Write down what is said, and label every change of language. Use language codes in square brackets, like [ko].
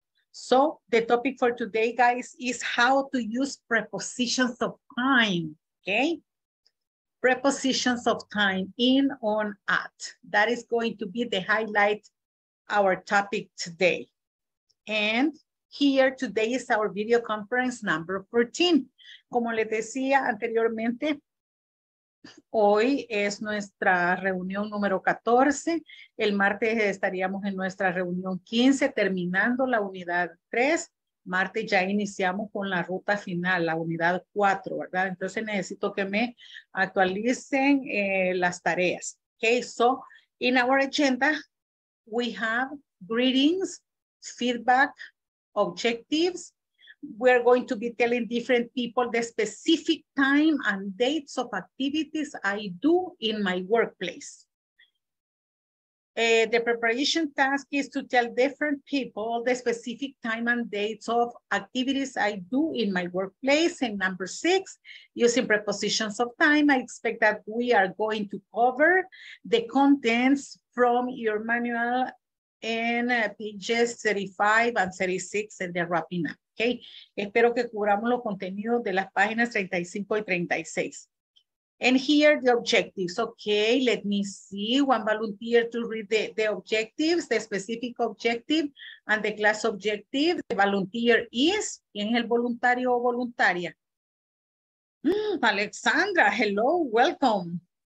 [en] So the topic for today, guys, is how to use prepositions of time, okay? Prepositions of time, in, on, at. That is going to be the highlight, our topic today. And here today is our video conference number 14. [es] Como les decía anteriormente, hoy es nuestra reunión número 14. El martes estaríamos en nuestra reunión 15, terminando la unidad 3. Martes ya iniciamos con la ruta final, la unidad 4, ¿verdad? Entonces necesito que me actualicen las tareas. [en] Okay, so in our agenda, we have greetings, feedback, objectives. We're going to be telling different people the specific time and dates of activities I do in my workplace. The preparation task is to tell different people the specific time and dates of activities I do in my workplace. And number 6, using prepositions of time, I expect that we are going to cover the contents from your manual in pages 35 and 36 in the wrapping up. [es] Okay, espero que cubramos los contenidos de las páginas 35 y 36. [en] And here the objectives. Okay, let me see. One volunteer to read the objectives, the specific objective and the class objective. The volunteer is, [es] ¿quién es el voluntario o voluntaria? [en] Alexandra, hello, welcome.